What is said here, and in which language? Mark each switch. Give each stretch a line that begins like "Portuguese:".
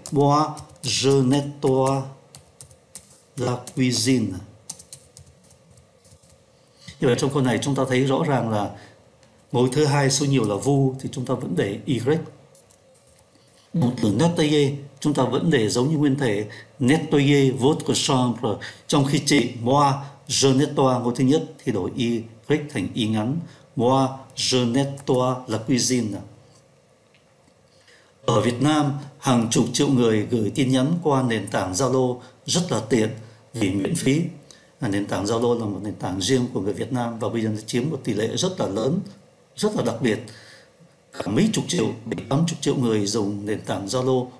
French: Moi, je nettoie la cuisine.
Vietnamese: Như vậy trong câu này chúng ta thấy rõ ràng là ngôi thứ hai số nhiều là vu thì chúng ta vẫn để y. Động từ nettoyer chúng ta vẫn để giống như nguyên thể.
French: Nettoyer votre chambre.
Vietnamese: Trong khi chị,
French: moi, je nettoie,
Vietnamese: ngôi thứ nhất thì đổi y thành y ngắn.
French: Moi, je nettoie la cuisine.
Vietnamese: Ở Việt Nam, hàng chục triệu người gửi tin nhắn qua nền tảng Zalo rất là tiện vì miễn phí. Nền tảng Zalo là một nền tảng riêng của người Việt Nam và bây giờ nó chiếm một tỷ lệ rất là lớn, rất là đặc biệt. Cả mấy chục triệu, 80 triệu người dùng nền tảng Zalo.